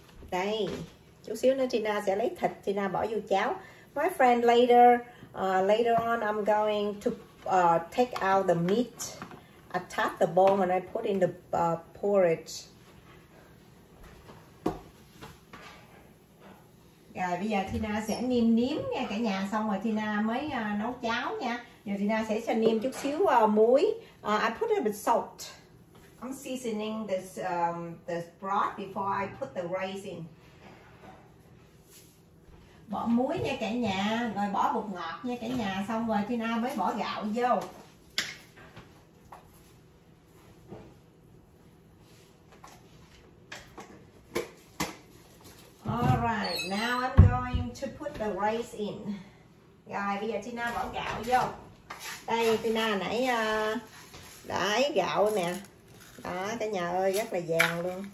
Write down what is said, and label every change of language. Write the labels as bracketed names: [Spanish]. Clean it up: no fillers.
[Vietnamese] Đây, chút xíu nữa Tina sẽ lấy thịt Tina bỏ vô cháo. [English] My friend, later on I'm going to take out the meat, attach the bone, and I put in the porridge. [Vietnamese] Rồi bây giờ Tina sẽ nêm nếm nha cả nhà, xong rồi Tina mới nấu cháo nha. Giờ Tina sẽ cho nêm chút xíu muối. [English] I put a little bit salt. I'm seasoning this this broth before I put the rice in. [Vietnamese] Bỏ muối nha cả nhà, rồi bỏ bột ngọt nha cả nhà, xong rồi Tina mới bỏ gạo vô. [English] Alright, now I'm going to put the rice in. [Vietnamese] Rồi bây giờ Tina bỏ gạo vô. Đây Tina nãy đãi gạo nè. Đó cả nhà ơi, rất là vàng luôn.